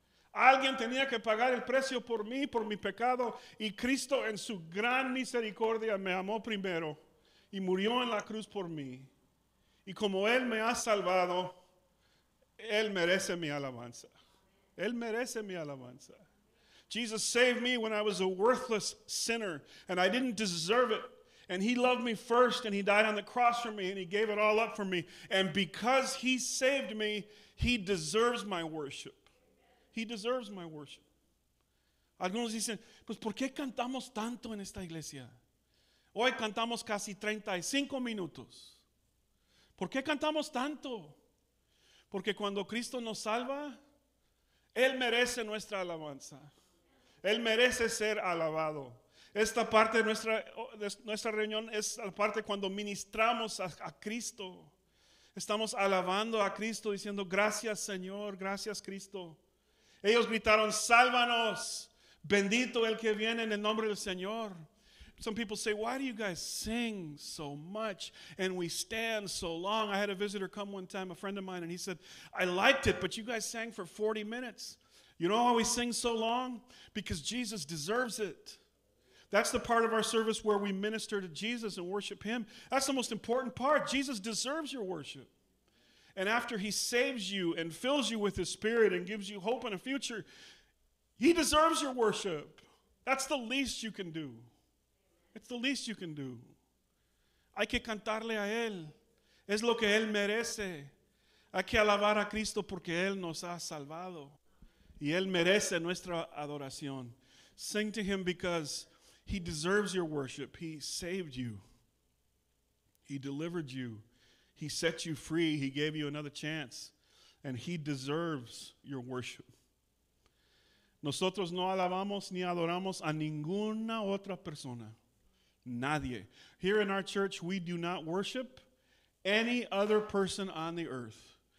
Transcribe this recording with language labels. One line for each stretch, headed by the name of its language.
Spanish: Alguien tenía que pagar el precio por mí, por mi pecado. Y Cristo en su gran misericordia me amó primero. Y murió en la cruz por mí. Y como Él me ha salvado, Él merece mi alabanza. Él merece mi alabanza.
English: Jesus saved me when I was a worthless sinner. And I didn't deserve it. And he loved me first, and he died on the cross for me, and he gave it all up for me. And because he saved me, he deserves my worship. He deserves my worship.
Spanish: Algunos dicen, pues ¿por qué cantamos tanto en esta iglesia? Hoy cantamos casi 35 minutos. ¿Por qué cantamos tanto? Porque cuando Cristo nos salva, Él merece nuestra alabanza. Él merece ser alabado. Esta parte de nuestra reunión es la parte cuando ministramos a Cristo. Estamos alabando a Cristo, diciendo gracias Señor, gracias Cristo. Ellos gritaron, sálvanos, bendito el que viene en el nombre del Señor.
English: Some people say, why do you guys sing so much and we stand so long? I had a visitor come one time, a friend of mine, and he said, I liked it, but you guys sang for 40 minutes. You know why we sing so long? Because Jesus deserves it. That's the part of our service where we minister to Jesus and worship him. That's the most important part. Jesus deserves your worship. And after he saves you and fills you with his spirit and gives you hope and a future, he deserves your worship. That's the least you can do. It's the least you can do.
Spanish: Hay que cantarle a él. Es lo que él merece. Hay que alabar a Cristo porque él nos ha salvado. Y él merece nuestra adoración.
English: Sing to him because he deserves your worship. He saved you. He delivered you. He set you free. He gave you another chance. And he deserves your worship.
Spanish: Nosotros no alabamos ni adoramos a ninguna otra persona. Nadie.
English: Here in our church, we do not worship any other person on the earth.